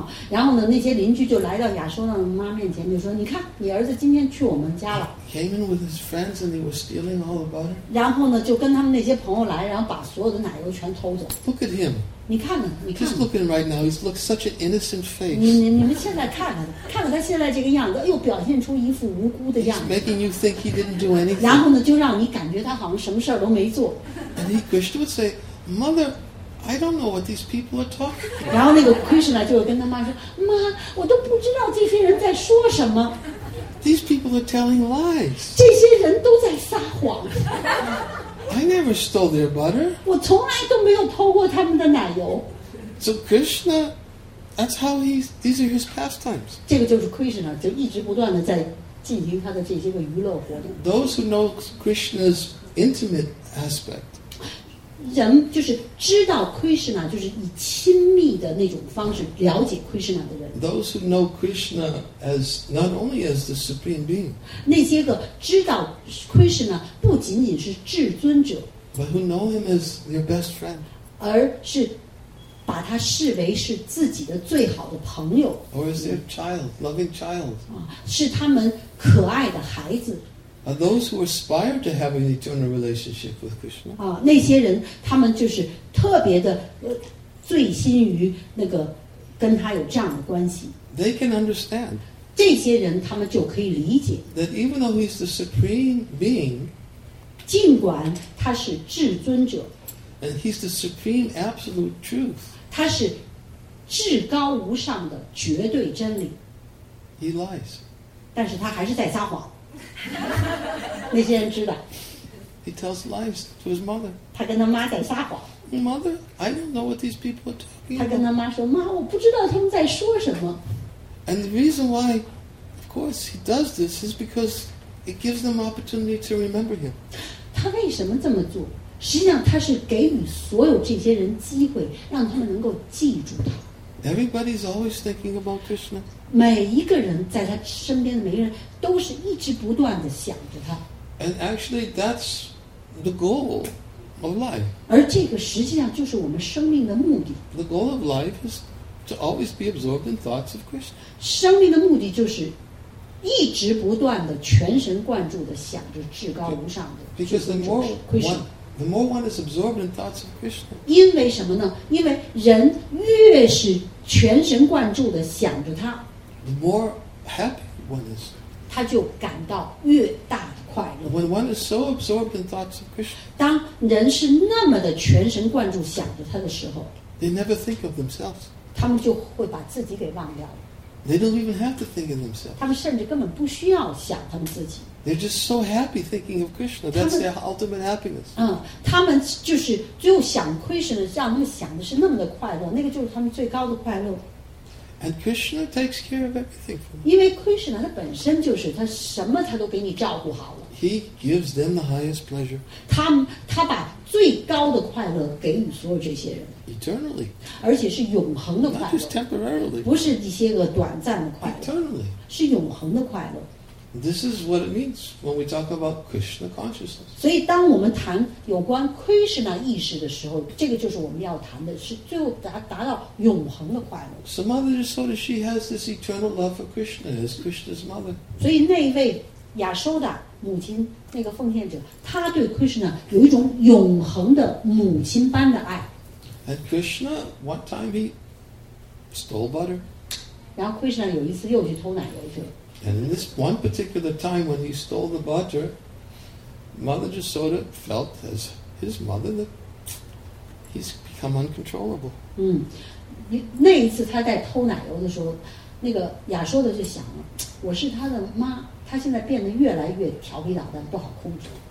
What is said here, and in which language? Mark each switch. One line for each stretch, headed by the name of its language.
Chinese: 然后呢，那些邻居就来到亚修那妈面前，就说：“你看，你儿子今天去我们家了。”
English: Came in with his friends and he was stealing all the butter.
Chinese: 然后呢，就跟他们那些朋友来，然后把所有的奶油全偷走。
English: Look at him.
Chinese: 你看看，你看。
English: Just looking right now, he looks such an innocent face.
Chinese: 你们现在看看，看看他现在这个样子，又表现出一副无辜的样子。
English: He's making you think he didn't do anything.
Chinese: 然后呢，就让你感觉他好像什么事儿都没做。
English: And Krishna would say. Mother, I don't know what these people are talking about.
Chinese: 然后那个 Krishna 就跟他妈说，妈，我都不知道这些人在说什么。
English: These people are telling lies.
Chinese: 这些人都在撒谎。
English: I never stole their butter.
Chinese: 我从来都没有偷过他们的奶油。
English: So Krishna, that's how he. These are his pastimes.
Chinese: 这个就是 Krishna 就一直不断的在进行他的这些个娱乐活动。
English: Those who know Krishna's intimate aspect.
Chinese: 人就是知道 Krishna 就是以亲密的那种方式了解 Krishna 的人
English: Those who know Krishna as not only as the Supreme Being
Chinese: 那些个知道 Krishna 不仅仅是至尊者
English: But who know him as their best friend
Chinese: 而是把他视为是自己的最好的朋友
English: Or as their child, loving child
Chinese: 是他们可爱的孩子
English: Are those who aspire to have an eternal relationship with Krishna?
Chinese: 那些人他们就是特别的醉心于那个跟他有这样的关系。
English: They can understand.
Chinese: 这些人他们就可以理解。
English: That even though he's the supreme being,
Chinese: 尽管他是至尊者。
English: And he's the supreme absolute truth.
Chinese: 他是至高无上的绝对真理。
English: He lies.
Chinese: 但是他还是在撒谎。那些人知道。
English: He tells lies to his mother.
Chinese: 他跟他妈在撒谎。
English: Mother, I don't know what these people are talking about.
Chinese: 他跟他妈说：“妈，我不知道他们在说什么。”
English: And the reason why, of course, he does this is because it gives them opportunity to remember him.
Chinese: 他为什么这么做？实际上，他是给予所有这些人机会，让他们能够记住他。
English: Everybody's always thinking about Krishna.
Chinese: 每一个人在他身边的每个人都是一直不断的想着他。
English: And actually, that's the goal of life.
Chinese: 而这个实际上就是我们生命的目的。
English: The goal of life is to always be absorbed in thoughts of Krishna.
Chinese: 生命的目的就是一直不断的全神贯注的想着至高无上的。
English: Because the more one. The more one is absorbed in thoughts of Krishna.
Chinese: 因为什么呢？因为人越是全神贯注地想着他
English: ，the more happy one is.
Chinese: 他就感到越大的快乐。
English: When one is so absorbed in thoughts of Krishna,
Chinese: 当人是那么的全神贯注想着他的时候
English: ，they never think of themselves.
Chinese: 他们就会把自己给忘掉了。
English: They don't even have to think of themselves.
Chinese: 他们甚至根本不需要想他们自己。
English: They're just so happy thinking of Krishna. That's their ultimate happiness.
Chinese: 他们就是只有想 Krishna， 让他们想的是那么的快乐，那个就是他们最高的快乐。
English: And Krishna takes care of everything for them.
Chinese: 因为 Krishna 他本身就是他什么他都给你照顾好了。
English: He gives them the highest pleasure.
Chinese: 他把最高的快乐给予所有这些人。
English: Eternally.
Chinese: 而且是永恒的快乐。
English: Not just temporarily.
Chinese: 不是一些个短暂的快乐。
English: Eternally.
Chinese: 是永恒的快乐。
English: This is what it means when we talk about Krishna consciousness.
Chinese: 所以当我们谈有关 Krishna 意识的时候，这个就是我们要谈的，是最后达到永恒的快乐。
English: So Mother Yashoda, she has this eternal love for Krishna as Krishna's mother.
Chinese: 所以那一位亚修达母亲，那个奉献者，她对 Krishna 有一种永恒的母亲般的爱。
English: And Krishna, one time he stole butter.
Chinese: 然后 Krishna 有一次又去偷奶油去了。
English: And in this one particular time when he stole the butter, Mother Jasoda felt as his mother that he's become uncontrollable.
Chinese: 那一次他在偷奶油的时候，那个亚修的就想了，我是他的妈，他现在变得越来越调皮捣蛋，不好控制。